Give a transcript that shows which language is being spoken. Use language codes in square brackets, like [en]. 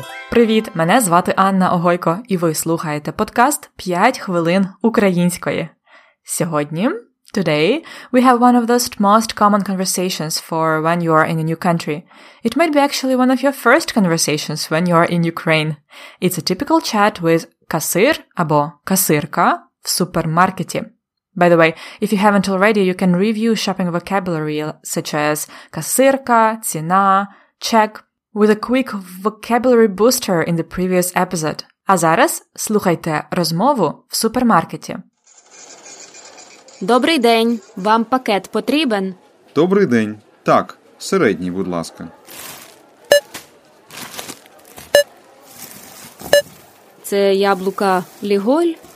[uk] Привіт, мене звати Анна Огойко, і ви слухаєте подкаст «5 хвилин української». Сьогодні, [en] today, we have one of those most common conversations for when you are in a new country. It might be actually one of your first conversations when you are in Ukraine. It's a typical chat with [uk] касир або касирка в супермаркеті. [en] By the way, if you haven't already, you can review shopping vocabulary such as касирка, ціна, чек with a quick vocabulary booster in the previous episode. [uk] А зараз слухайте розмову в супермаркеті. Добрий день, вам пакет потрібен? Добрий день, так, середній, будь ласка. Це яблука Ліголь?